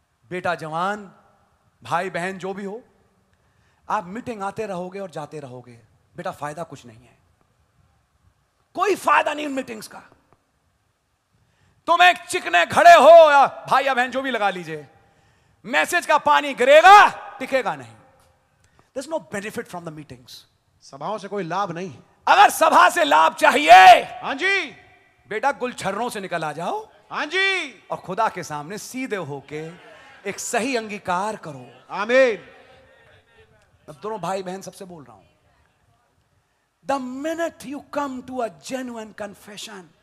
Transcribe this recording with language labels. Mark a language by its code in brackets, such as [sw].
[hi] बेटा जवान, भाई बहन जो भी हो, आप मीटिंग आते रहोगे और जाते रहोगे, बेटा फायदा कुछ नहीं है, कोई फायदा नहीं उन मीटिंग्स का। तुम एक चिकने खड़े हो या भाई या बहन जो भी लगा लीजिए, मैसेज का पानी गिरेगा टिकेगा नहीं। [en] There's no benefit from the meetings. [hi] सभाओं से कोई लाभ नहीं। अगर सभा से लाभ चाहिए, हाँ जी, बेटा गुलछर्रों से निकल आ जाओ, हाँ जी, और खुदा के सामने सीधे होके एक सही अंगीकार करो, आमीन। अब दोनों भाई बहन सबसे बोल रहा हूं, [en] the minute you come to a genuine confession,